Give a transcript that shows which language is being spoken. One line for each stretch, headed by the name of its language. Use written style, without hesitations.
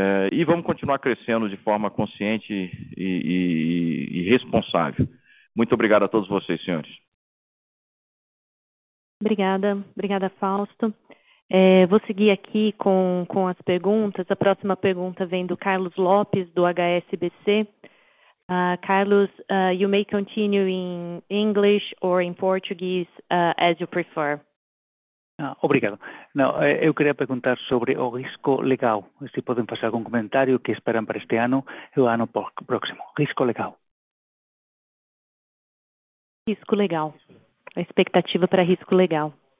Portuguese: E vamos continuar crescendo de forma consciente e responsável. Muito obrigado a todos vocês, senhores. Obrigada, Fausto. Vou seguir aqui com as perguntas. A próxima pergunta vem do Carlos Lopes, do HSBC.
English: Carlos, you may continue in English or in Portuguese, as you prefer.
Portuguese: Obrigado. Não, eu queria perguntar sobre o risco legal, se podem fazer algum comentário, que esperam para este ano e o ano próximo. Risco legal. Risco legal. A expectativa para risco legal.